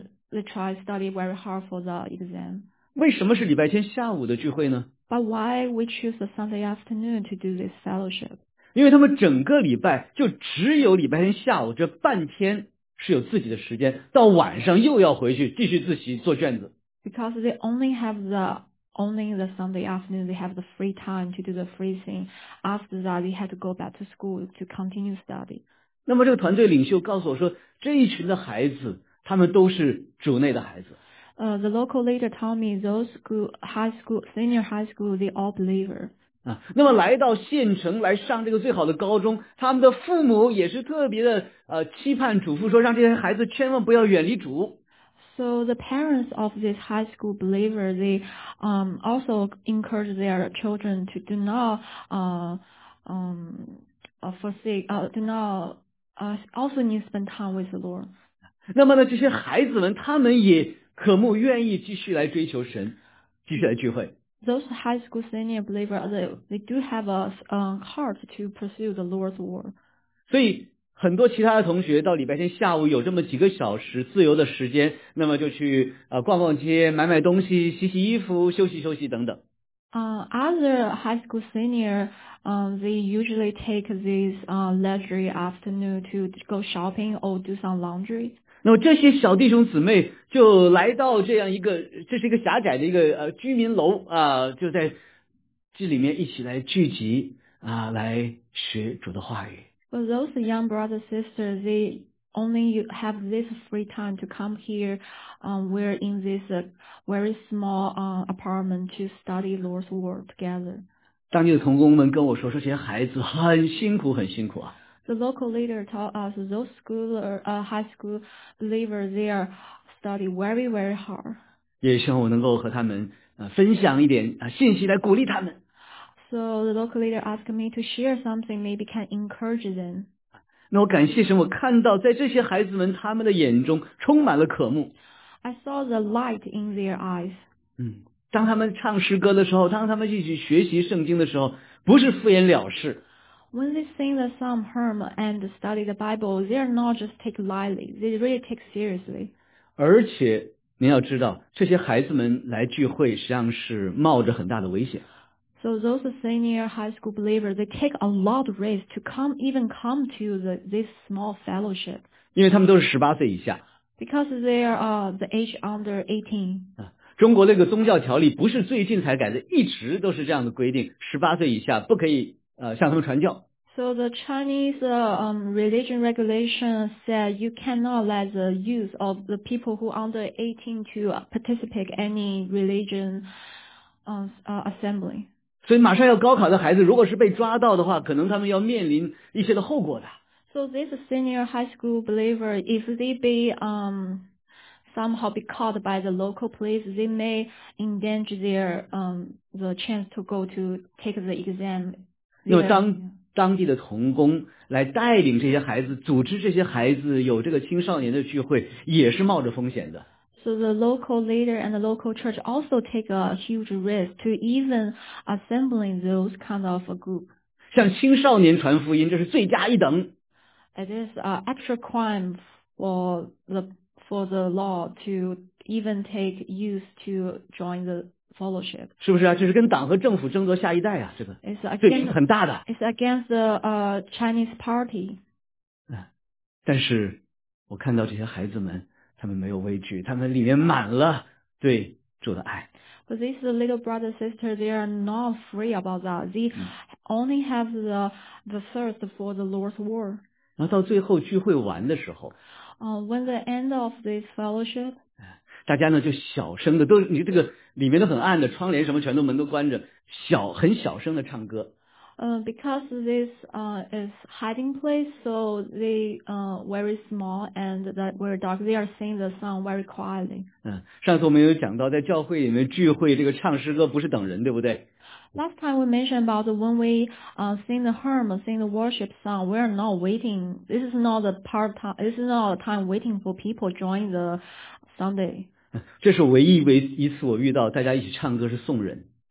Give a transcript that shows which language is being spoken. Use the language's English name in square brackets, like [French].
[English] They try study very hard for the exam. [Chinese] 为什么是礼拜天下午的聚会呢？ [English] But why we choose a Sunday afternoon to do this fellowship? [Chinese] 因为他们整个礼拜就只有礼拜天下午这半天是有自己的时间，到晚上又要回去继续自习做卷子。 [English] Because they only the Sunday afternoon, they have the free time to do the free thing. After that, they had to go back to school to continue study. [Chinese] 那么这个团队领袖告诉我说，这一群的孩子，他们都是主内的孩子。 [English] The local leader told me those senior high school, they all believer. [Chinese] 那么来到县城来上这个最好的高中，他们的父母也是特别的期盼嘱咐说，让这些孩子千万不要远离主。 [English] So the parents of this high school believer, they also encourage their children to do not forsake, also need to spend time with the Lord. [Chinese] 那么呢，这些孩子们他们也渴慕愿意继续来追求神，继续来聚会。 [English] Those high school senior believers, they do have a heart to pursue the Lord's word. [Chinese] 所以很多其他的同学到礼拜天下午有这么几个小时自由的时间，那么就去逛逛街，买买东西，洗洗衣服，休息休息等等。 [English] Other high school senior, they usually take this leisure afternoon to go shopping or do some laundry. [Chinese] 那么这些小弟兄姊妹就来到这样一个，这是一个狭窄的一个居民楼啊，就在这里面一起来聚集啊，来学主的话语。 [English] But those young brothers and sisters, they only you have this free time to come here, we're in this very small apartment to study Lord's word together. [Chinese] 当地的同工们跟我说，这些孩子很辛苦，很辛苦啊。 [English] The local leader told us those high school believers there study very, very hard. [Chinese] 也希望我能够和他们分享一点信息来鼓励他们。 [English] So the local leader asked me to share something, maybe can encourage them. [Chinese] 那我感谢神，我看到在这些孩子们他们的眼中充满了渴慕。 [English] I saw the light in their eyes. [Chinese] 当他们唱诗歌的时候，当他们一起学习圣经的时候，不是敷衍了事。 [English] When they sing the psalm, hymn, and study the Bible, they are not just take lightly. They really take seriously. [Chinese] 而且您要知道，这些孩子们来聚会实际上是冒着很大的危险。 [English] So those senior high school believers, they take a lot of risk to come, even come to this small fellowship. [Chinese] 因为他们都是18岁以下。 [English] Because they are the age under 18. [Chinese] 中国那个宗教条例不是最近才改的，一直都是这样的规定，18岁以下不可以向他们传教。 [English] So the Chinese religion regulation said you cannot let the youth of the people who are under 18 to participate any religion assembly. [Chinese] 所以马上要高考的孩子如果是被抓到的话，可能他们要面临一些的后果的。 [English] So this senior high school believer, if they be somehow be caught by the local police, they may endanger their the chance to go to take the exam. [Chinese] 因为当地的同工来带领这些孩子，组织这些孩子有这个青少年的聚会，也是冒着风险的。 [English] So the local leader and the local church also take a huge risk to even assembling those kind of a group. [Chinese] 像青少年传福音，这是罪加一等。 [English] It is an extra crime for the law to even take youth to join the fellowship. [Chinese] 是不是啊？这是跟党和政府争夺下一代啊，这个罪行很大的。 [English] It's against the Chinese party. [Chinese] 但是我看到这些孩子们，他们没有畏惧，他们里面满了对主的爱。 [English] But these little brother sister, they are not free about that. They only have the thirst for the Lord's word. [Chinese] 然后到最后聚会完的时候 [English] ，when the end of this fellowship， [Chinese] 大家呢就小声的，都你这个里面都很暗的，窗帘什么全都门都关着，很小声的唱歌。 [English] Because this is hiding place, so they very small and that very dark. They are singing the song very quietly. [Chinese] 上次我们有讲到在教会里面聚会，这个唱诗歌不是等人，对不对？ [English] Last time we mentioned about when we sing the hymn, sing the worship song, we are not waiting. This is not the part time. This is not a time waiting for people join the Sunday. [Chinese] 这是唯一一次我遇到大家一起唱歌是送人。